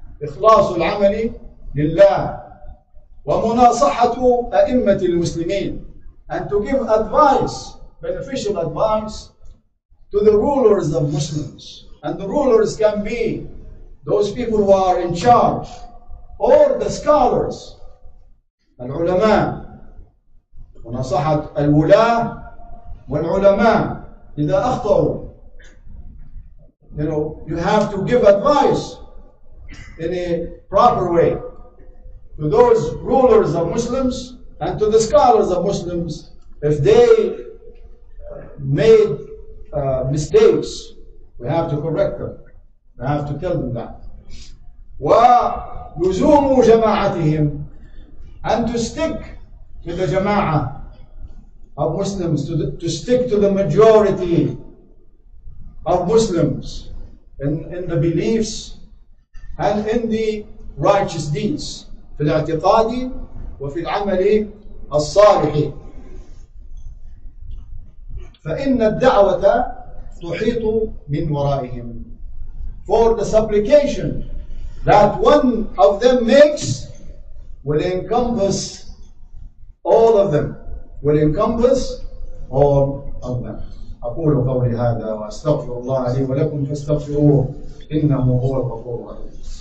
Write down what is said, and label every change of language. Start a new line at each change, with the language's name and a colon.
Arabic: إخلاص العمل لله. ومناصحة أئمة المسلمين.
English: And to give advice, beneficial advice, to the rulers of Muslims. And the rulers can be those people who are in charge, or the scholars, العلماء.
Arabic: ونصحة الولاة والعلماء إذا أخطأوا.
English: You know, you have to give advice in a proper way to those rulers of Muslims and to the scholars of Muslims if they made mistakes. We have to correct them. We have to tell them that.
Arabic: وَلُزُومُ جَمَاعَتِهِمْ.
English: And to stick to the jama'ah of Muslims, to stick to the majority of Muslims in the beliefs and in the righteous deeds.
Arabic: في الاعتقاد وفي العمل الصالح. فإن الدعوة تحيط من ورائهم.
English: For the supplication that one of them makes will encompass all of them. Will encompass all of them.
Arabic: أقول قولي هذا وأستغفر الله لي ولكم فاستغفروه إنه هو الغفور الرحيم.